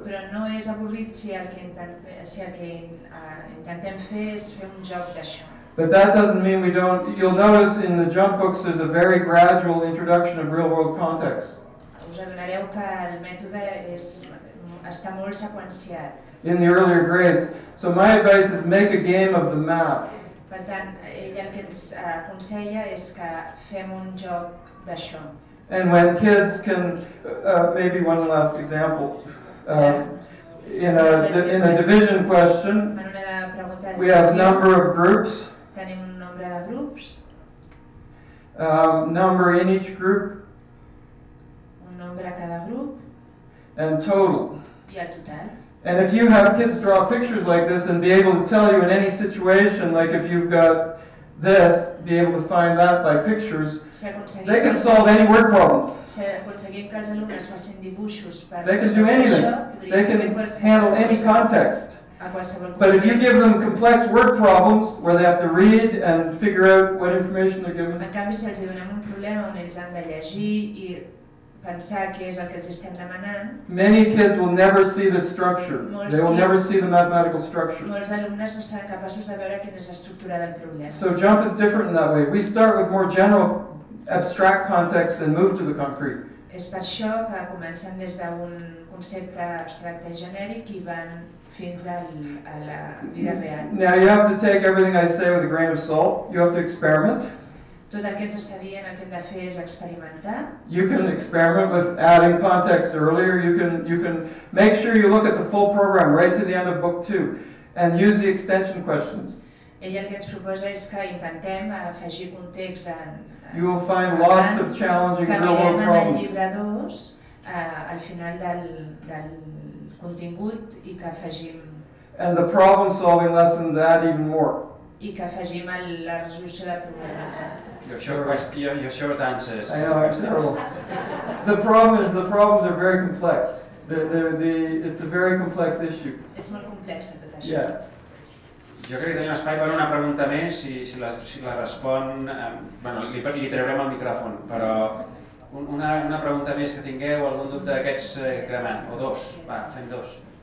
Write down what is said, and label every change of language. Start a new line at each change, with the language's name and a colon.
Catalan: Però no és avorrit si el que intentem fer és fer un joc d'això.
English: But that doesn't mean we don't... You'll notice in the jump books there's a very gradual introduction of real-world context.
Catalan: Us adonareu que el mètode està molt seqüenciat.
English: In the earlier grades. So my advice is make a game of the math.
Catalan: Per tant, ell el que ens aconsella és que fem un joc d'això.
English: And when kids can, maybe one last example, in a division question, we have number of groups,
Catalan: tenim un nombre de grups,
English: number in each group,
Catalan: un nombre a cada grup,
English: and total.
Catalan: I el total.
English: And if you have kids draw pictures like this and be able to tell you in any situation, like if you've got this, be able to find that by pictures, they can solve any word problem. They can do anything. They can handle any context. But if you give them complex word problems where they have to read and figure out what information they're given,
Catalan: pensar què és el que els estem demanant.
English: Many kids will never see the structure. They will never see the mathematical structure.
Catalan: Molts alumnes no seran capaços de veure quina és l'estructura del problema.
English: So jump is different in that way. We start with more general abstract context and move to the concrete.
Catalan: És per això que comencen des d'un concepte abstracte i genèric i van fins a la vida real.
English: Now you have to take everything I say with a grain of salt. You have to experiment.
Catalan: Tot el que ens està dient el que hem de fer és experimentar.
English: You can experiment with adding context earlier. You can make sure you look at the full program right to the end of book 2 and use the extension questions.
Catalan: Ell el que ens proposa és que intentem afegir context en...
English: You will find lots of challenging real world problems.
Catalan: Que mirem en el llibre 2 al final del contingut i que afegim...
English: And the problem solving lessons add even more.
Catalan: I que afegim a la resolució de problemes.
English: The problem is the problems are very complex. It's a very complex issue.
Catalan: És molt complexa tot això.
English: Yeah.
Catalan: Jo crec que tenim espai per una pregunta més, si la respon, bueno, li traurem el micròfon, però una pregunta més que tingueu, algun dubte d'aquests cremant, o dos, va, fem dos.